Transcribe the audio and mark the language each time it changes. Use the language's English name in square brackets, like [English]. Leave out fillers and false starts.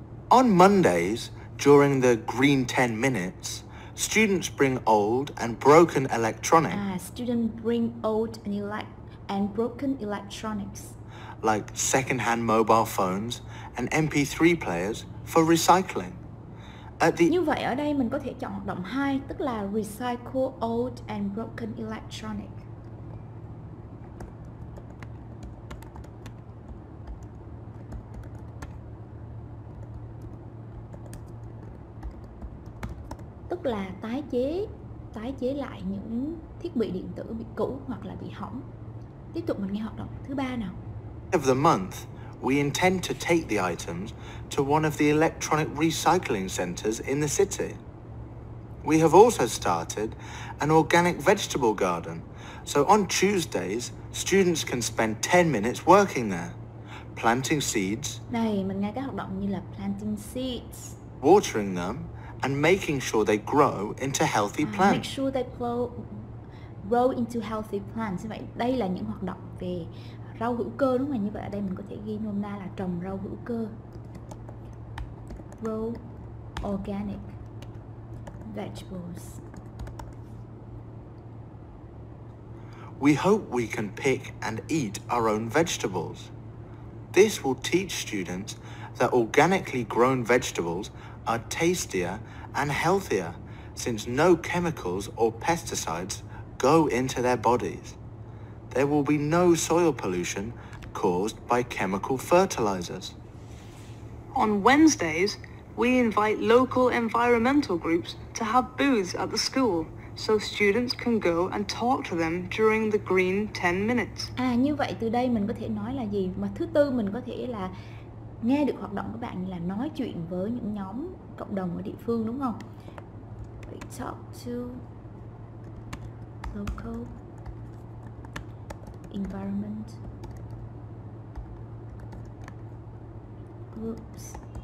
[English] On Mondays, during the green 10 minutes, students bring old and broken electronics. Students bring old and broken electronics. Like second-hand mobile phones and MP3 players for recycling. [Vietnamese] Như vậy ở đây mình có thể chọn hoạt động 2, tức là [English] recycle old and broken electronics. [Vietnamese] Tức là tái chế lại những thiết bị điện tử bị cũ hoặc là bị hỏng. Tiếp tục mình nghe hoạt động thứ ba nào. [English] Of the month, we intend to take the items to one of the electronic recycling centers in the city. We have also started an organic vegetable garden, so on Tuesdays, students can spend 10 minutes working there, planting seeds. [Vietnamese] Này, mình nghe các hoạt động như là [English] planting seeds, watering them, and making sure they grow into healthy plants. Make sure they grow into healthy plants. [Vietnamese] Vậy đây là những hoạt động về rau hữu cơ đúng không? Như vậy ở đây mình có thể ghi nôm na là trồng rau hữu cơ. [English] Grow organic vegetables. We hope we can pick and eat our own vegetables. This will teach students that organically grown vegetables are tastier and healthier since no chemicals or pesticides go into their bodies. There will be no soil pollution caused by chemical fertilizers. On Wednesdays, we invite local environmental groups to have booths at the school so students can go and talk to them during the green 10 minutes. [Vietnamese] Như vậy từ đây mình có thể nói là gì? Mà thứ tư mình có thể là nghe được hoạt động các bạn là nói chuyện với những nhóm cộng đồng ở địa phương đúng không? [English] We talk to local environment groups.